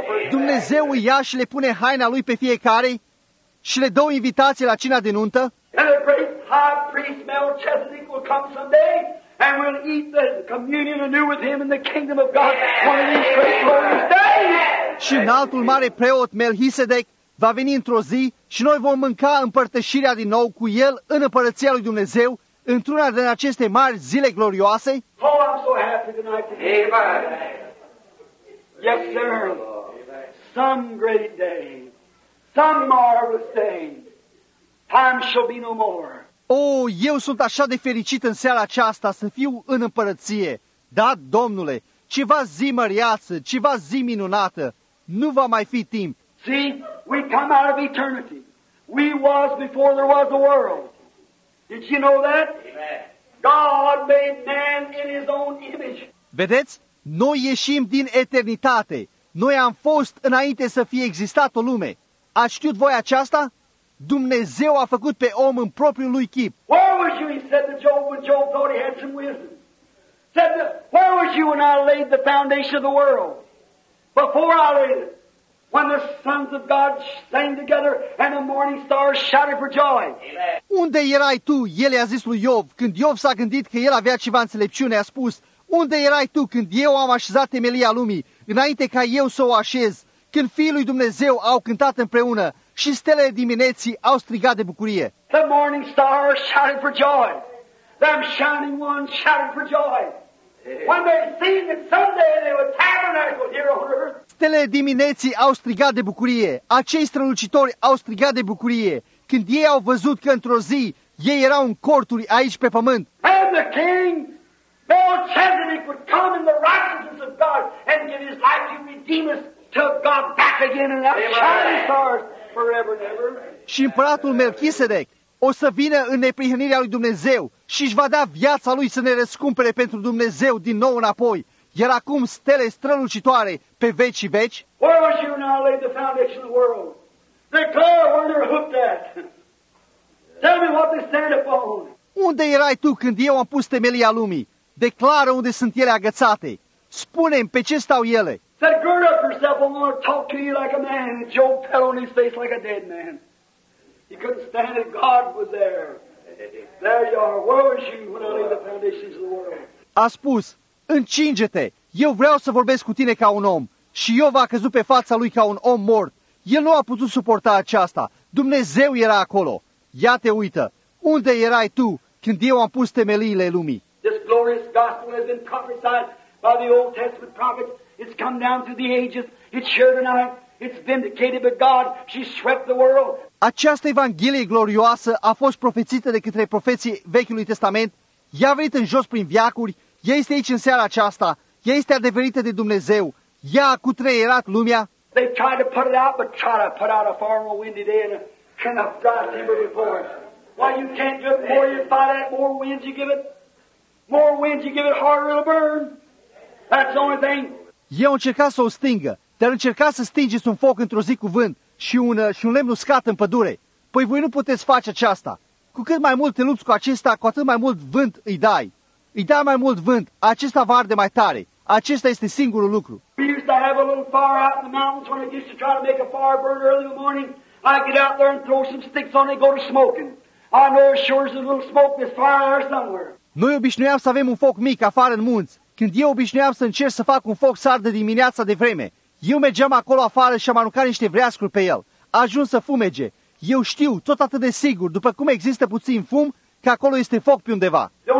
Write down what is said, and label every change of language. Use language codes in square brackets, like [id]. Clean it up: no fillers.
[ro] Dumnezeu îi ia și le pune haina lui pe fiecare și le dă o invitație la cina de nuntă. [en] And the great high priest Melchizedek will come someday. And we'll eat the communion anew with him in the kingdom of God one of these great glorious days. [ro] Și în altul mare preot Melchisedec va veni într-o zi și noi vom mânca împărtășirea din nou cu el în împărăția lui Dumnezeu într-una din aceste mari zile glorioase. [en] Oh, I'm so happy tonight. Amen. Yes, sir. Some great day, some marvelous day, time shall be no more. [ro] Oh, eu sunt așa de fericit în seara aceasta să fiu în împărăție. Da, Domnule, ceva zi măriață, ceva zi minunată, nu va mai fi timp. [en] See, we come out of eternity. We was before there was a world. Did you know that? God made man in his own image. [ro] Vedeți? Noi ieșim din eternitate. Noi am fost înainte să fie existat o lume. Ați știut voi aceasta? Dumnezeu a făcut pe om în propriul lui chip. [en] Where was you, he said to Job, when Job thought he had some wisdom? Said, where was you when I laid the foundation of the world? Before I laid it, when the sons of God sang together and the morning stars shouted for joy. [ro] Unde erai tu, el i-a zis lui Iov, când Iov s-a gândit că el avea ceva înțelepciune, a spus, unde erai tu când eu am așezat temelia lumii, înainte ca eu să o așez, când fiii lui Dumnezeu au cântat împreună, și stelele dimineții au strigat de bucurie. [en] The morning stars shouting for joy. Them shining ones shouting for joy. When they seen that someday they would tabernacle here on earth. [ro] Stelele dimineții au strigat de bucurie. Acei strălucitori au strigat de bucurie când ei au văzut că într-o zi ei erau în corturi aici pe pământ. [en] And the king Melchizedek would come in the righteousness of God and give his life to redeem us to God back again in that shining stars. [ro] Și împăratul Melchisedec o să vină în neprihănirea lui Dumnezeu și își va da viața lui să ne răscumpere pentru Dumnezeu din nou înapoi, iar acum stele strălucitoare pe veci și veci. [en] Where was you now laid the foundation of the world? Declare where you're hooked at. Tell me what they stand upon. [ro] Unde erai tu când eu am pus temelia lumii? Declară unde sunt ele agățate. Spune-mi pe ce stau ele. [en] Said, gird up yourself, I'm going to talk to you like a man. And Job fell on his face like a dead man. He couldn't stand it. God was there. There you are. Where was you when I laid the foundations of the world? [ro] A spus, încinge-te. Eu vreau să vorbesc cu tine ca un om. Și Iov a căzut pe fața lui ca un om mort. El nu a putut suporta aceasta. Dumnezeu era acolo. Ia te uită. Unde erai tu când eu am pus temeliile lumii? [en] This glorious gospel has been prophesied by the Old Testament prophets. It's come down through the ages. It's sure tonight. It's vindicated by God. She swept the world. [ro] Această evanghelie glorioasă a fost profețită de către profeții Vechiului Testament. Ea a venit în jos prin veacuri. Ea este aici în seara aceasta. Ea este adeverită de Dumnezeu. Ea a cutreierat lumea. [en] They tried to put it out, but tried to put out a far more windy day and a dry timber before it. Why you can't do it more, you fight it, more winds you give it. More winds you give it, harder it'll burn. That's the only thing. [ro] Eu încercat să o stingă, dar încercat să stingeți un foc într-o zi cu vânt și un lemn uscat în pădure. Păi voi nu puteți face aceasta. Cu cât mai mult te lupți cu acesta, cu atât mai mult vânt îi dai. Îi dai mai mult vânt, acesta va arde mai tare. Acesta este singurul lucru. [en] We used to have a little fire out in the mountains when I used to try to make a fire burn early in the morning. I'd get out there and throw some sticks on it and go to smoking. I know as sure as there's a little smoke, there's fire there somewhere. [ro] Noi obișnuiam să avem un foc mic afară în munți. Când eu obișnuiam să încerc să fac un foc să ardă dimineața de vreme, eu mergeam acolo afară și am aruncat niște vreascuri pe el. A ajuns să fumege. Eu știu, tot atât de sigur, după cum există puțin fum, că acolo este foc pe undeva.